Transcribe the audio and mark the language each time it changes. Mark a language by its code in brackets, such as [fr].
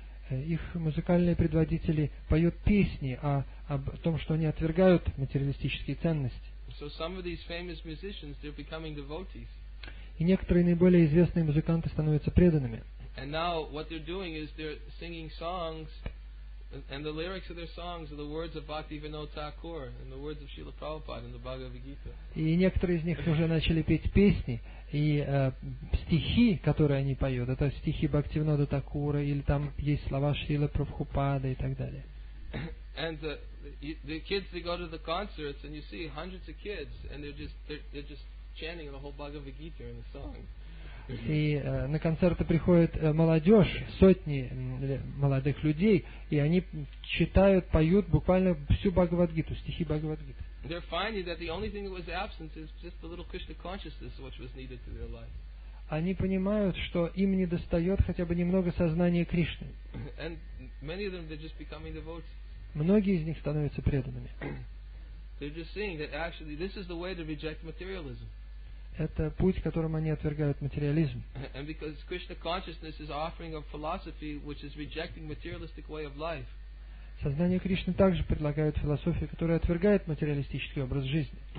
[ru] их музыкальные предводители поют песни об том, что они отвергают материалистические ценности. [en] So some of these famous musicians, they're becoming devotees. [ru] И некоторые наиболее известные музыканты становятся преданными. [en] And now what they're doing is they're singing songs, and the lyrics of their songs are the words of Bhaktivinoda Thakur and the words of Srila Prabhupada in the Bhagavad Gita. [ru] И некоторые из них уже начали петь песни, и стихи, которые они поют, это стихи Бхактивинода Такура, или там есть слова Шрилы Прабхупады и так далее. [en] And the kids, they go to the concerts, and you see hundreds of kids, and they're just chanting the whole Bhagavad Gita in a song. [ru] И на концерты приходит молодежь, сотни молодых людей, и они читают, поют буквально всю Бхагавад-гиту, стихи Бхагавад-гиты. [en] They're finding that the only thing that was absent is just a little Krishna consciousness, which was needed to their life. [ru] Они понимают, что им недостает хотя бы немного сознания Кришны. [en] And many of them, they're just becoming devotees. [ru] Многие из них становятся преданными. [en] They're just seeing that actually this is the way to reject materialism. [ru] Это путь, которым они отвергают материализм. [en] And because Krishna consciousness is offering a philosophy which is rejecting materialistic way of life. [ru] Сознание Кришны также предлагает философию, которая отвергает материалистический образ жизни.